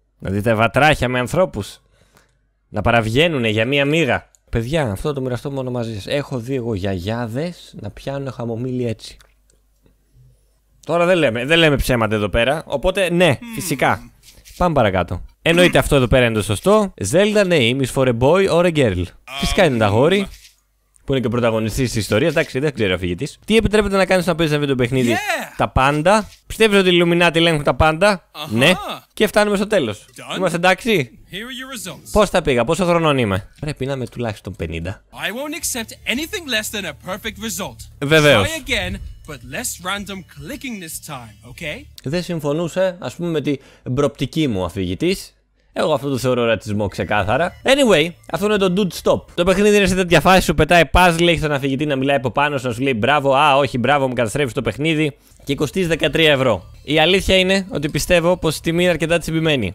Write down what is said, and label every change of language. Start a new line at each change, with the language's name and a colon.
Greek: Να δείτε βατράχια με ανθρώπους να παραβγαίνουνε για μία μύγα. Παιδιά, αυτό το μοιραστώ μόνο μαζί σας. Έχω δει εγώ γιαγιάδες να πιάνουν χαμομήλι έτσι. Τώρα δεν λέμε ψέματα εδώ πέρα. Οπότε ναι, φυσικά. Πάμε παρακάτω. Εννοείται αυτό εδώ πέρα είναι το σωστό.
English: Zelda name is for a boy or a girl.
Greek: Φυσικά είναι τα γόρι. Που είναι και πρωταγωνιστή τη ιστορία, εντάξει, δεν ξέρει ο αφηγητής. Τι επιτρέπεται να κάνει να παίζει ένα βίντεο παιχνίδι?
English: Yeah.
Greek: Τα πάντα. Πιστεύει ότι οι Illuminati ελέγχουν τα πάντα? Uh-huh. Ναι. Και φτάνουμε στο τέλος. Είμαστε εντάξει.
English: Here are your results.
Greek: Πώς τα πήγα, πόσο χρονών είμαι? Πρέπει να είμαι τουλάχιστον 50.
English: I won't accept anything less than a perfect result.
Greek: Βεβαίως.
English: Try again, but less random clicking this time, okay?
Greek: Δεν συμφωνούσε, ας πούμε, με την προπτική μου αφηγητής. Εγώ αυτό το θεωρώ ρατσισμό ξεκάθαρα. Anyway, αυτό είναι το dude stop. Το παιχνίδι είναι σε τέτοια φάση, σου πετάει puzzle, έχει τον αφηγητή να μιλάει από πάνω, να σου λέει μπράβο, α όχι μπράβο, μου καταστρέφεις το παιχνίδι. Και κοστίζει 13 ευρώ. Η αλήθεια είναι ότι πιστεύω πως η τιμή είναι αρκετά τσιμπημένη.